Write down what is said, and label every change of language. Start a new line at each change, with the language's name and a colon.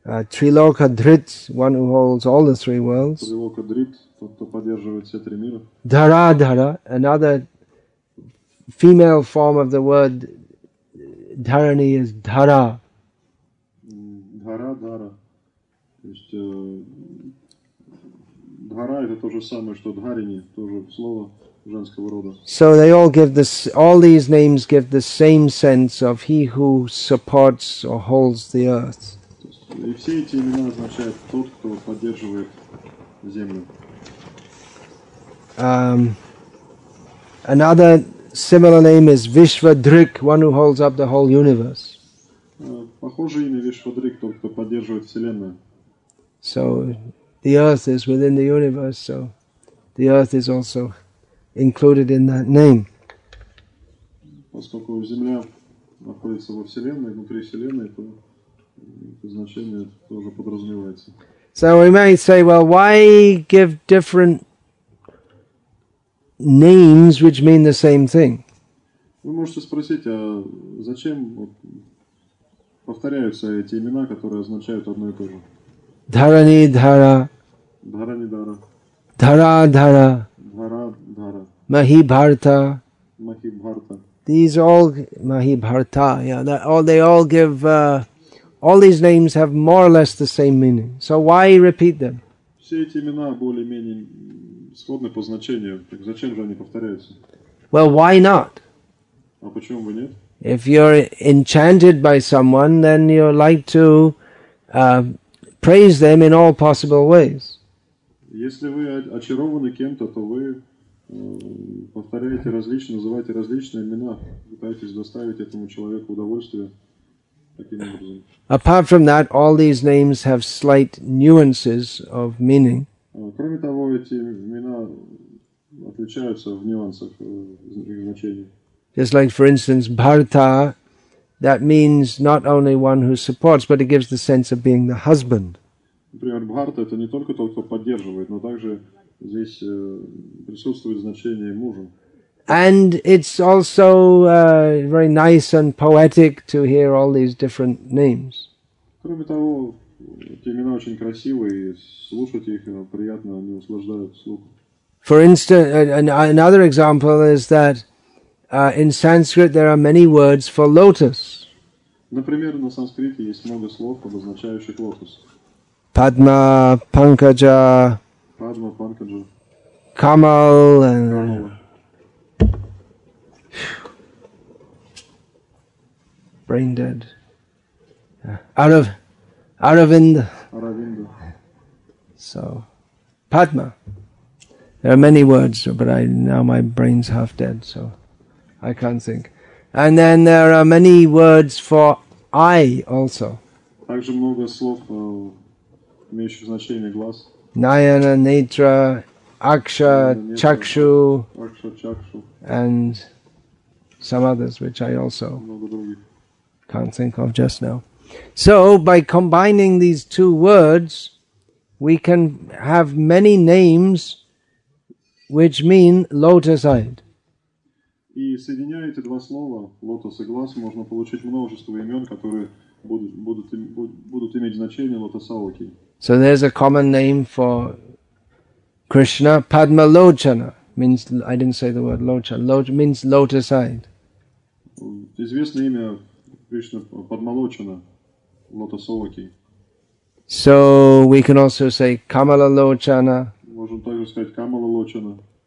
English: Трилока Дрит, one who holds all the three worlds.
Russian: Трилока Дрит, тот, кто поддерживает все три мира.
English: Дара Дара, another female form of the word Dharani is Dhara.
Sanskrit: Dhara, Dhara.
Russian: То есть, Dhara – это то же самое, что Dharani, тоже слово женского рода.
English: So they all give this, all these names give the same sense of he who supports or holds the earth.
Russian: И все эти имена означают тот, кто поддерживает землю.
English: Another similar name is Vishvadrik, one who holds up the whole universe.
Russian: Похожее имя Вишвадрик, тот, кто поддерживает вселенную.
English: So the earth is within the universe, so the earth is also included in that name.
Russian: Поскольку земля находится во вселенной, внутри вселенной, то это значение тоже подразумевается.
English: So we might say, well, why give different names which mean the same thing?
Russian: Вы можете спросить, а зачем вот повторяются эти имена, которые означают одно и то же?
Sanskrit: Dharani Dhara. Dharani Dhara. Dhara Dhara. Dhara Dhara. Mahibharata. Mahibharata.
English: These all Mahibharata, yeah, that all they all give all these names have more or less the same meaning. So why repeat them?
Russian: Все эти имена более-менее сходны по значению. Так зачем же они повторяются?
English: Well, why not?
Russian: А почему бы нет?
English: If you're enchanted by someone, then you like to praise them in all possible ways.
Russian: Если вы очарованы кем-то, то вы повторяете различные, называете различные имена, пытаетесь доставить этому человеку удовольствие.
English: Apart from that, all these names have slight nuances of meaning.
Russian: Кроме того, эти имена отличаются в нюансах их значения.
English: Just like, for instance, Bharata, that means not only one who supports, but it gives the sense of being the husband.
Russian: Например, Bharata – это не только тот, кто поддерживает, но также здесь присутствует значение мужа.
English: And it's also very nice and poetic to hear all these different names.
Russian: Кроме того, эти имена очень красивые, слушать их приятно, они услаждают слух.
English: For instance, another example is that in Sanskrit there are many words for lotus.
Russian: Например, на санскрите есть много слов, обозначающих лотос.
Sanskrit: Padma, Pankaja. Padma, Pankaja. Kamal.
English: Brain dead. Aravinda.
Sanskrit: Aravinda.
English: So, Padma. There are many words, but now my brain's half dead, so I can't think. And then there are many words for I also.
Russian: Также много слов, имеющих значение глаз.
Sanskrit: Nayana, Netra, Aksha, Chakshu. Aksha, Chakshu.
English: And some others, which I also can't think of just now. So, by combining these two words, we can have many names which mean lotus-eyed.
Russian: И соединяя эти два слова, лотос и глаз, можно получить множество имен, которые будут иметь значение лотосовки.
English: So there's a common name for Krishna, Padmalochana, means, I didn't say the word lochana, lochana means lotus-eyed.
Russian: Известное имя Кришны Падмалочана, лотосовоки.
English: So we can also say Камала Лочана.
Russian: Можем также сказать Камала Лочана.